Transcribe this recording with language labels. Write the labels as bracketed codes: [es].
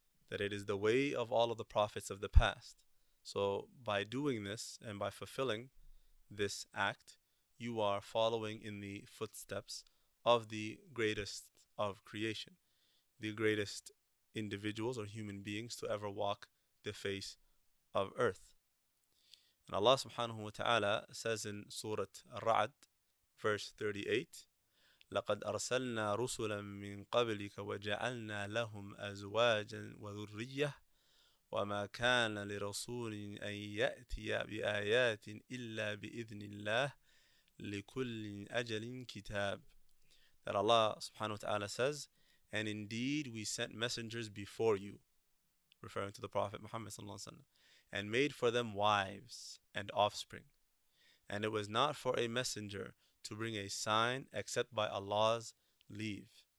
[en] That it is the way of all of the prophets of the past. So by doing this and by fulfilling this act, you are following in the footsteps of the greatest of creation, the greatest individuals or human beings to ever walk the face of earth. And Allah subhanahu wa ta'ala says in Surah Ra'd, verse 38, [ar] لَقَدْ أَرْسَلْنَا رُسُلًا مِّن قَبْلِكَ وَجَعَلْنَا لَهُمْ أَزْوَاجًا وَذُرِّيَّةً وَمَا كَانَ لِرَسُولٍ أَن يَأْتِيَ بِآيَاتٍ إِلَّا بِإِذْنِ اللَّهِ لِكُلٍ أَجَلٍ كِتَابٍ. [en] That Allah subhanahu wa ta'ala says, and indeed we sent messengers before you, referring to the Prophet Muhammad sallallahu alaihi wasallam, and made for them wives and offspring. And it was not for a messenger to bring a sign except by Allah's leave.